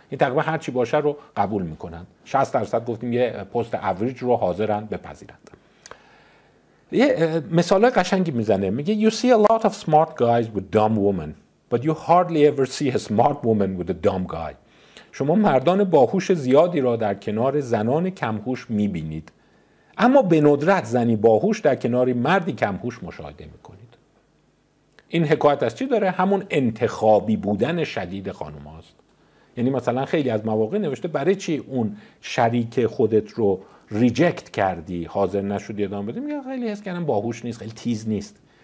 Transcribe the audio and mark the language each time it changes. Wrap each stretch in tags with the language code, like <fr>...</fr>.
<fa>این تقریبا هر چی باشه رو قبول میکنن. 60% گفتیم یه پست اوریج رو حاضرن بپذیرن. یه مثالای قشنگی میزنه، میگه</fa> <en>You see a lot of smart guys with dumb women, but you hardly ever see a smart woman with a dumb guy.</en> <fa>شما مردان باهوش زیادی را در کنار زنان کمهوش میبینید، اما به ندرت زنی باهوش در کنار مردی کمهوش مشاهده میکنید. این حکایت از چی داره؟ همون انتخابی بودن شدید خانوم هاست. یعنی مثلا خیلی از مواقع نوشته برای چی اون شریک خودت رو ریجکت کردی، حاضر نشدی ادامه بدی؟ میگه خیلی حس کردم باهوش نیست، خیلی تیز نیست.</fa>